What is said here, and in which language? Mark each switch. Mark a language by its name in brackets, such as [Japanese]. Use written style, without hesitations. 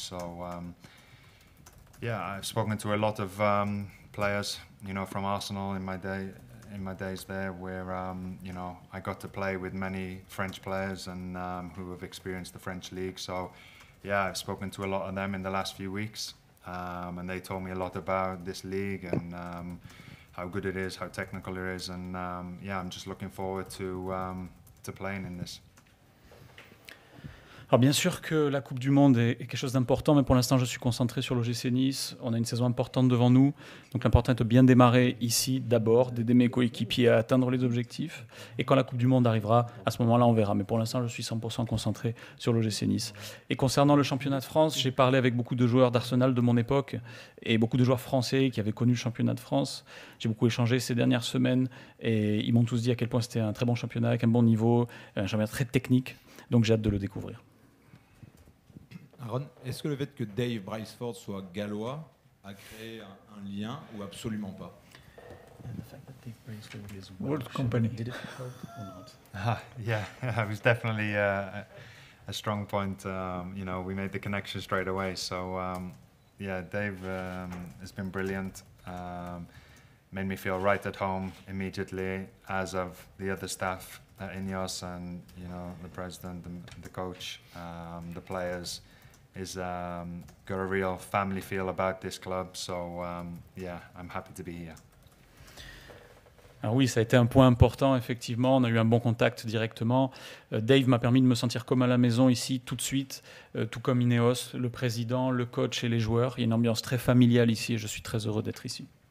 [English] So yeah, I've spoken to a lot of players, you know, from Arsenal in my days there, where you know, I got to play with many French players and who have experienced the French league. So yeah, I've spoken to a lot of them in the last few weeks, and they told me a lot about this league and how good it is, how technical it is, and yeah, I'm just looking forward to playing in this. [French] Alors bien sûr que la Coupe du Monde est quelque chose d'important, mais pour l'instant je suis concentré sur l'OGC Nice, on a une saison importante devant nous, donc l'important est de bien démarrer ici d'abord, d'aider mes coéquipiers à atteindre les objectifs, et quand la Coupe du Monde arrivera, à ce moment-là on verra, mais pour l'instant je suis 100% concentré sur l'OGC Nice. Et concernant le championnat de France, j'ai parlé avec beaucoup de joueurs d'Arsenal de mon époque, et beaucoup de joueurs français qui avaient connu le championnat de France, j'ai beaucoup échangé ces dernières semaines, et ils m'ont tous dit à quel point c'était un très bon championnat, avec un bon niveau, un championnat très technique, donc j'ai hâte de le découvrir. Aaron, est-ce que le fait que Dave Brailsford soit gallois a créé un lien ou absolument pas? [English] And the fact that Dave Brailsford is Welsh, World Company. Did it help or not? Yeah, it was definitely a strong point. You know, we made the connection straight away. So, yeah, Dave has been brilliant. Made me feel right at home immediately, as of the other staff at Ineos and, you know, the president, the coach, the players. Is got a real family feel about this club, so yeah, I'm happy to be here. [French] Alors oui, ça a été un point important, effectivement. On a eu un bon contact directement. Dave m'a permis de me sentir comme à la maison ici, tout de suite, tout comme Ineos, le président, le coach et les joueurs. Il y a une ambiance très familiale ici et je suis très heureux d'être ici.